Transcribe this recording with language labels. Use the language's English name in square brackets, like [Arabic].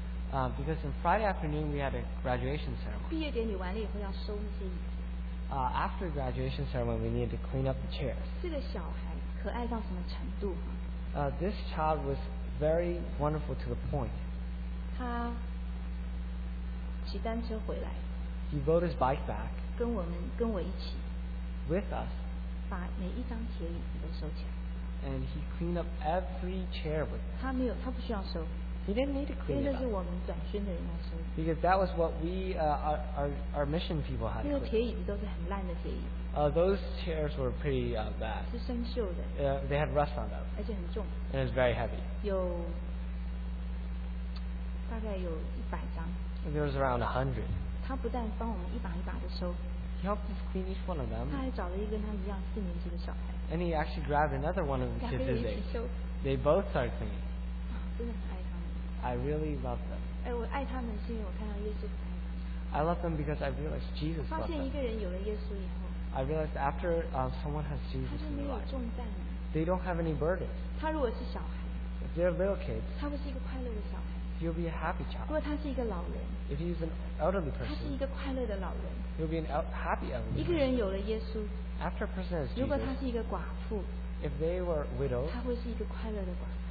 [English] Because on Friday afternoon we had a graduation ceremony. [Chinese] 毕业典礼完了以后要收那些椅子。 [English] After the graduation ceremony, we needed to clean up the chairs. [Chinese] 这个小孩可爱到什么程度? [English] This child was very wonderful to the point. [Chinese] 他骑单车回来。 [English] He rode his bike back. [Chinese] 跟我一起, [English] with us, [Chinese] 把每一张铁椅子都收起来, [English] and he cleaned up every chair with us. [Chinese] 他没有, 他不需要收, [English] he didn't need to clean it up. Because that was what we, our mission people had to clean. Those chairs were pretty bad. They had rust on them. And it was very heavy. [Chinese] 大概有100张, [English] there was around 100. [Chinese] 他不但帮我们一把一把的收, [English] he helped us clean each one of them. [Chinese] 他还找了一个跟他一样四年级的小孩, [English] and he actually grabbed another one of the kids. They both started cleaning. [Chinese] 真的很爱他们。 [English] I really love them. [Chinese] 我爱他们是因为我看到耶稣, [English] I love them because I realized Jesus loved them. [Chinese] 发现一个人有了耶稣以后, [English] I realized after someone has Jesus in their life, they don't have any burdens. [Chinese] 他如果是小孩, [English] if they're little kids, [Chinese] 他会是一个快乐的小孩, [English] you'll be a happy child. [Chinese] 如果他是一个老人, [English] if he's an elderly person, [Chinese] 他是一个快乐的老人, [English] you'll be an happy elderly person. [Chinese] 一个人有了耶稣, [English] after a person has Jesus, [Chinese] 如果他是一个寡妇, [English] if they were widows, [Chinese] 他会是一个快乐的寡妇,